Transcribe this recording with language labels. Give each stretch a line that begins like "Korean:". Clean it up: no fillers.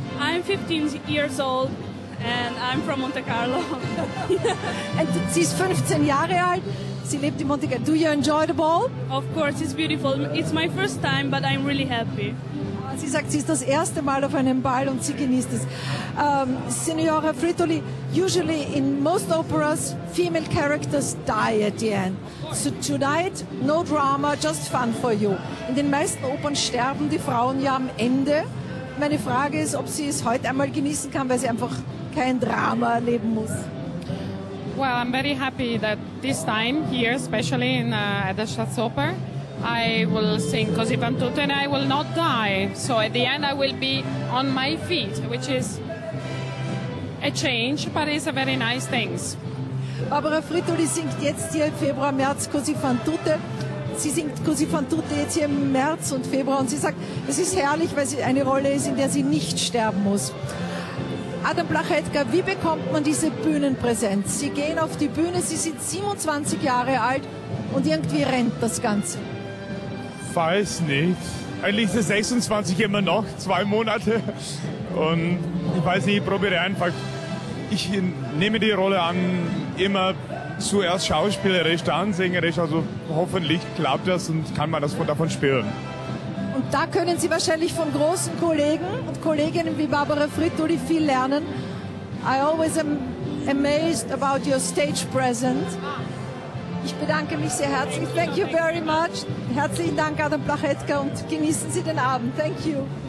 English: I'm 15 years old and I'm from Monte Carlo.
German: And sie ist 15 Jahre alt. Sie lebt in Monte Carlo.
English: Do you enjoy the ball? Of course, it's beautiful. It's my first time, but I'm really happy.
German: Sie sagt, sie ist das erste Mal auf einem Ball und sie genießt es.
English: Signora Fritoli, usually in most operas, female characters die at the end. So tonight, no drama, just fun for you.
German: In den meisten Opern sterben die Frauen ja am Ende. Meine Frage ist, ob sie es heute einmal genießen kann, weil sie einfach kein Drama erleben muss.
English: Well, I'm very happy that this time here, especially in the Staatsoper, I will sing Così fan tutte and I will not die. So at the end I will be on my feet, which is a change, but it's a very nice thing.
German: Barbara Fritoli singt jetzt hier im Februar, März Così fan tutte. Sie singt Così fan tutte jetzt hier im März und Februar und sie sagt, es ist herrlich, weil sie eine Rolle ist, in der sie nicht sterben muss. Adam Blachetka, wie bekommt man diese Bühnenpräsenz? Sie gehen auf die Bühne, Sie sind 27 Jahre alt und irgendwie rennt das Ganze. Ich weiß nicht. Eigentlich ist es 26 immer noch, 2 Monate. Und ich weiß nicht, ich probiere einfach. Ich nehme die Rolle an, immer zuerst schauspielerisch, dann sängerisch. Also hoffentlich klappt das und kann man das davon spüren. Und da können Sie wahrscheinlich von großen Kollegen und Kolleginnen wie Barbara Fritoli viel lernen.
English: I always am amazed about your stage presence.
German: Ich bedanke mich sehr herzlich.
English: Thank you very much.
German: Herzlichen Dank, Adam Blachetka, und genießen Sie den Abend.
English: Thank you.